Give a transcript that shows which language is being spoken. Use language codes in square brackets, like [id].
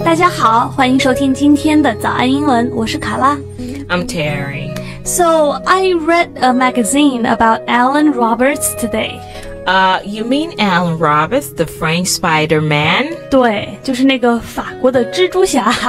[zh] 大家好，欢迎收听今天的早安英文，我是卡拉。 [en] I'm Terry. So, I read a magazine about Alan Roberts today. You mean Alan Roberts, the French Spider-Man? [zh] 对，就是那个法国的蜘蛛侠。